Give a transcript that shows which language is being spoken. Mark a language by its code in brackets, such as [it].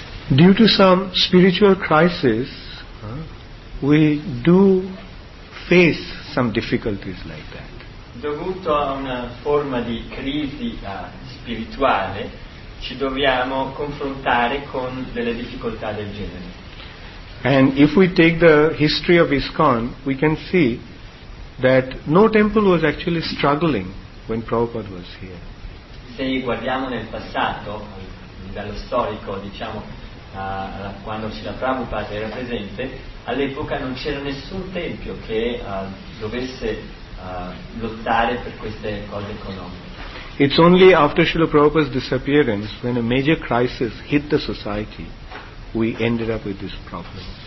[en] Due to some spiritual crisis, we do face some difficulties like that. [it] Dovuto a una forma di crisi spirituale, ci dobbiamo confrontare con delle difficoltà del genere. [en] And if we take the history of ISKCON, we can see that no temple was actually struggling when Prabhupada was here. [it] Se guardiamo nel passato, dallo storico, diciamo, quando Srila Prabhupada era presente, all'epoca non c'era nessun tempio che dovesse lottare per queste cose economiche. [en] It's only after Srila Prabhupada's disappearance, when a major crisis hit the society, we ended up with this problem.